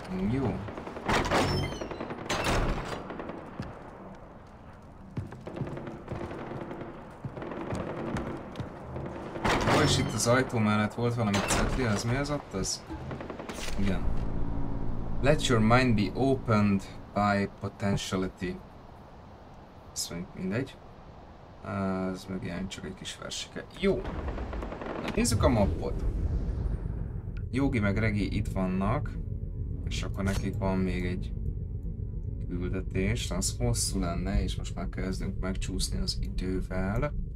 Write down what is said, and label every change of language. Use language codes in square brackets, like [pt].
[hu] Jó. Jó, és itt az ajtó mellett volt valami cetli, az mi az ott az? Igen. [en] Let your mind be opened by potentiality. [hu] Ez mondjuk mindegy. Ez meg ilyen csak egy kis versike. Jó. Nézzük a mappot. Yogi meg Regi itt vannak. És akkor nekik van még egy küldetés. Az hosszú lenne, és most már kezdünk megcsúszni az idővel.